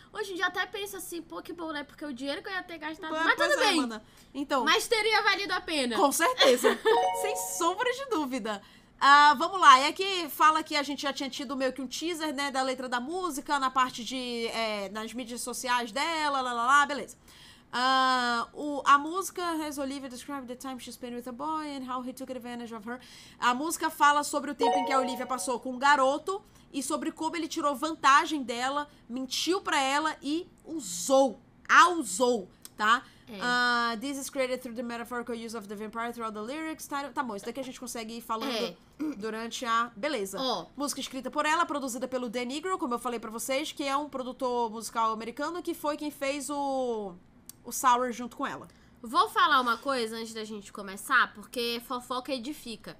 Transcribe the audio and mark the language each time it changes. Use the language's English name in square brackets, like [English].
[Portuguese] Hoje em dia eu até penso assim, pô, que bom, né? Porque o dinheiro que eu ia ter gastado... Pô, mas tudo é, bem. Mana. Então, mas teria valido a pena. Com certeza. Sem sombra de dúvida. Vamos lá, é que fala que a gente já tinha tido meio que um teaser, né, da letra da música, na parte de, nas mídias sociais dela, lá, lá, lá, beleza. A música [English] has Olivia described the time she spent with a boy and how he took advantage of her. [Portuguese] A música fala sobre o tempo em que a Olivia passou com um garoto e sobre como ele tirou vantagem dela, mentiu pra ela e usou, tá? [English] This is created through the metaphorical use of the vampire throughout the lyrics. [Portuguese] Tá bom, isso daqui a gente consegue ir falando durante a... Beleza. Oh. Música escrita por ela, produzida pelo Dan Negro, como eu falei pra vocês, que é um produtor musical americano que foi quem fez o Sour junto com ela. Vou falar uma coisa antes da gente começar, porque fofoca edifica.